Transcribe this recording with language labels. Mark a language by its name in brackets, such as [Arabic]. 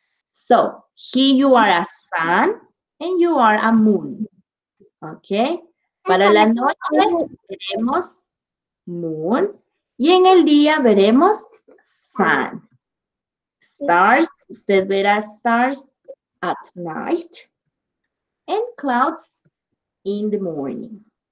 [English] So, here you are a sun and you are a moon. ¿Ok? [Spanish] Para la noche veremos moon y en el día veremos sun. [English] Stars, [Spanish] usted verá [English] stars at night and clouds in the morning.